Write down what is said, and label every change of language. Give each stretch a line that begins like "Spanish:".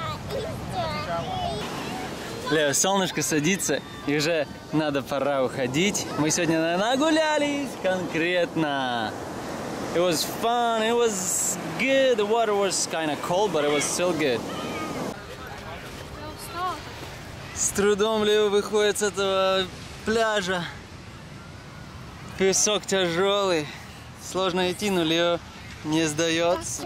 Russian: Домик! Лео, солнышко садится, и уже надо пора уходить. Мы сегодня нагулялись конкретно.
English: It was fun, it was good. The water was kind of cold, but it was still good.
Russian: С трудом Лео выходит с этого пляжа. Песок тяжелый. Сложно идти, но Лео не сдается.